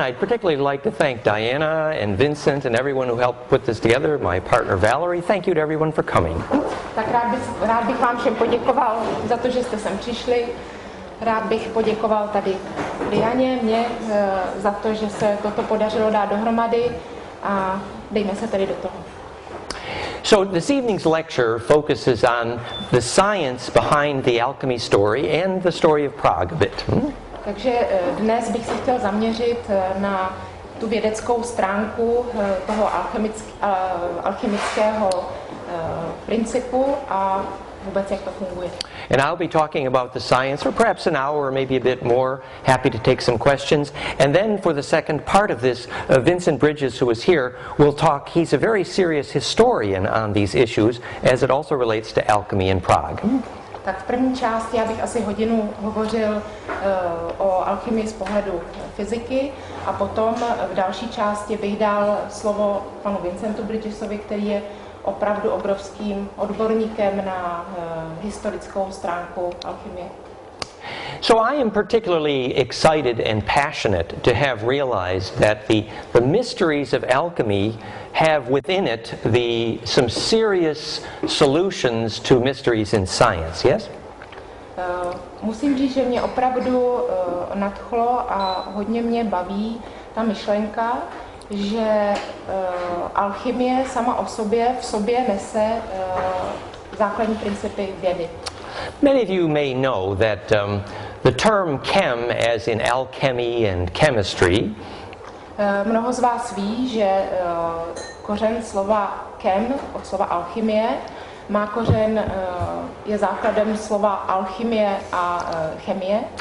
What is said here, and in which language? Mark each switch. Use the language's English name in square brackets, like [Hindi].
[English] I'd particularly like to thank Diana and Vincent and everyone who helped put this together, my partner Valerie. Thank you to everyone for coming. [Czech] Tak rád bych vám všem poděkoval za to, že jste sem přišli. Rád bych poděkoval tady Dianě, mě, za to, že se toto podařilo dát dohromady a dejme se tady do toho. [English] So this evening's lecture focuses on the science behind the alchemy story and the story of Prague a bit. [Czech] Takže dnes bych se chtěl zaměřit na tu vědeckou stránku toho alchemického principu a vůbec jak to funguje. [English] And I'll be talking about the science for perhaps an hour or maybe a bit more. Happy to take some questions. And then for the second part of this, Vincent Bridges, who is here, will talk. He's a very serious historian on these issues, as it also relates to alchemy in Prague. [Czech] Tak v první části já bych asi hodinu hovořil o alchymii z pohledu fyziky a potom v další části bych dal slovo panu Vincentu Bridgesovi, který je opravdu obrovským odborníkem na historickou stránku alchymie. [English] So I am particularly excited and passionate to have realized that the mysteries of alchemy have within it some serious solutions to mysteries in science, yes? [Czech] Musím říct, že mě opravdu nadchlo a hodně mě baví ta myšlenka, že alchymie sama o sobě v sobě nese základní principy vědy. [English] Many of you may know that the term chem, as in alchemy and chemistry. [Czech] Mnoho z vás ví, že kořen slova chem od slova alchymie má kořen je základem slova alchymie a chemie.